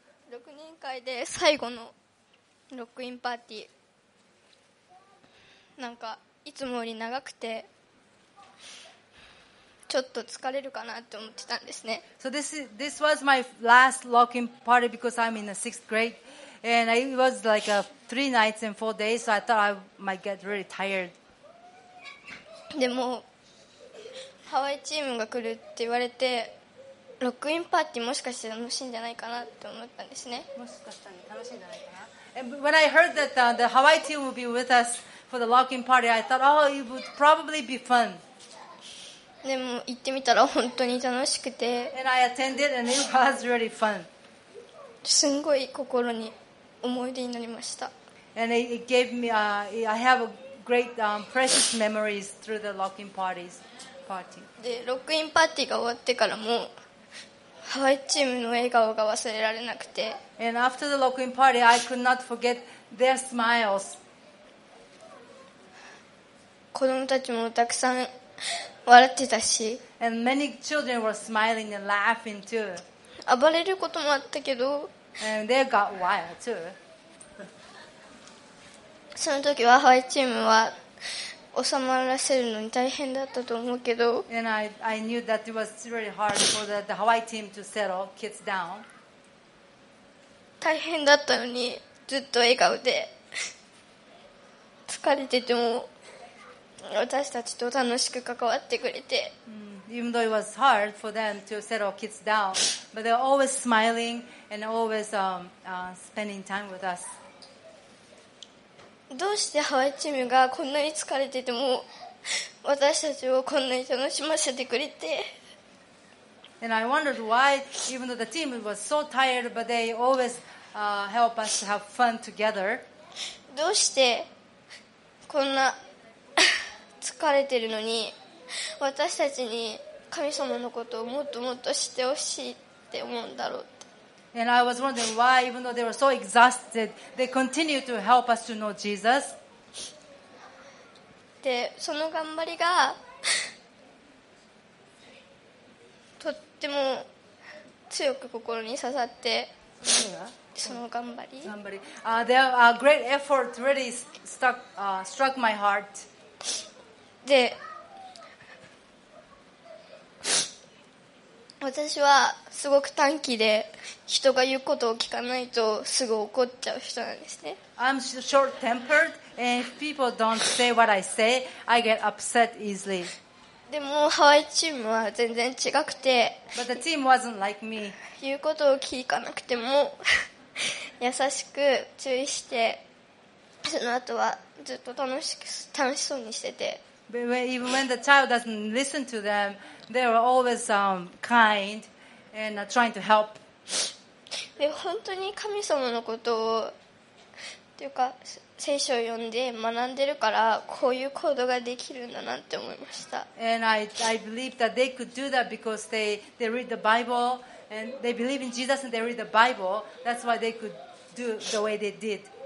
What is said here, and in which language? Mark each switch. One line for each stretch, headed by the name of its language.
Japanese: 6人会で最後のロックインパーティー、なんかいつもより長くてちょっと疲れるかなって思ってたんですね。
English: So this was my last lock in party because I'm in the sixth grade and it was like three nights and four days, so I thought I might get really tired.
Japanese: でもハワイチームが来るって言われて、ロックインパーティーもしかして楽しいんじゃないかなと思ったんですね。もしかしたら楽しいんじゃないかな。
English: And when I heard that the Hawaii team would be with us for the lock in party, I thought, oh, it would probably be fun.
Japanese: でも行ってみたら本当に楽しくて。
English: And I attended and it was really fun.
Japanese: すんごい心に思い出になりました。
English: And it gave me, I have a great, precious memories through the lock in parties party.
Japanese: で、ロックインパーティーが終わってからも、ハワイチームの笑顔が忘れられなくて。
English: And after the lock in party, I could not forget their smiles.
Japanese: 子供たちもたくさん笑ってたし。
English: And many children were smiling and laughing too.
Japanese: 暴れることもあったけど。
English: And they got wild too.
Japanese: その時はハワイチームは収まらせるのに大変だったと思うけど。
English: And I knew that it was really hard for the Hawaii team to settle kids down.
Japanese: 大変だったのにずっと笑顔で。疲れてても私たちと楽しく関わってくれて。
English: Even though it was hard for them to settle kids down, but they're always smiling and always spending time with us.
Japanese: どうしてハワイチームがこんなに疲れてても私たちをこんなに楽しませてくれて。
English: And I wondered why, even though the team was so tired, but they always help us to have fun together.
Japanese: どうしてこんな疲れてるのに私たちに神様のことをもっともっと知ってほしいって思うんだろうって
English: And I was wondering why even though they were so exhausted they continued to help us to know Jesus.
Japanese: でその頑張りがとっても強く心に刺さって、その頑張り、
English: their great effort really struck my heart.
Japanese: で、私はすごく短気で、人が言うことを聞かないとすぐ怒っちゃう人なんですね。
English: I'm short-tempered, and if people don't say what I say, I get upset easily.
Japanese: でもハワイチームは全然違くて、
English: But the team wasn't like me.
Japanese: 言うことを聞かなくても優しく注意して、その後はずっと楽しそうにしてて、
English: Even when the child doesn't listen to them, they were always kind and trying to help.
Japanese: で本当に神様のことをというか聖書を読んで学んでるからこういう行動ができるんだなって思いました。
English: And I believe that they could do that because they read the Bible and they believe in Jesus and they read the Bible. That's why they could do the way they did.